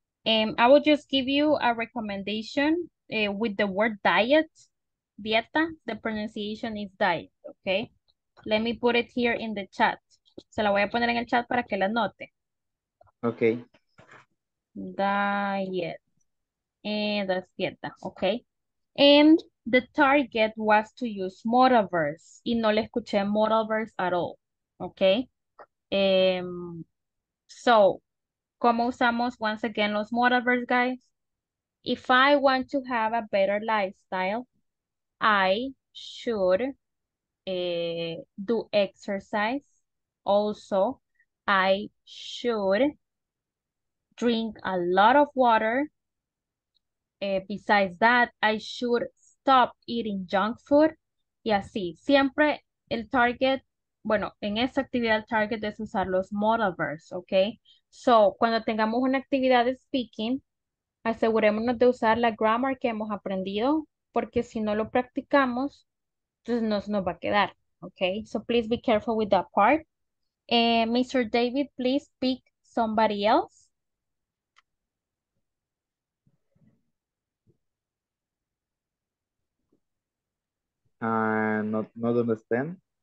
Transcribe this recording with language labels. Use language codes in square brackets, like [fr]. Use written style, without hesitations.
[en] I will just give you a recommendation with the word diet, dieta, the pronunciation is diet, okay? Let me put it here in the chat. [es] Se la voy a poner en el chat para que la note. [en] Okay. Diet. And that's dieta, okay? And the target was to use modal verbs. [es] Y no le escuché modal verbs [en] at all, [es] okay? So, ¿cómo usamos [en] once again [es] los modal verbs, guys? [en] If I want to have a better lifestyle, I should do exercise. Also, I should drink a lot of water. Besides that, I should stop eating junk food. [es] Y así, siempre el target, bueno, en esta actividad el target es usar los modal verbs, okay? So, cuando tengamos una actividad de speaking, asegurémonos de usar la grammar que hemos aprendido, porque si no lo practicamos, entonces no nos va a quedar, okay? [en] So, please be careful with that part. Mr. David, please pick somebody else. Not understand.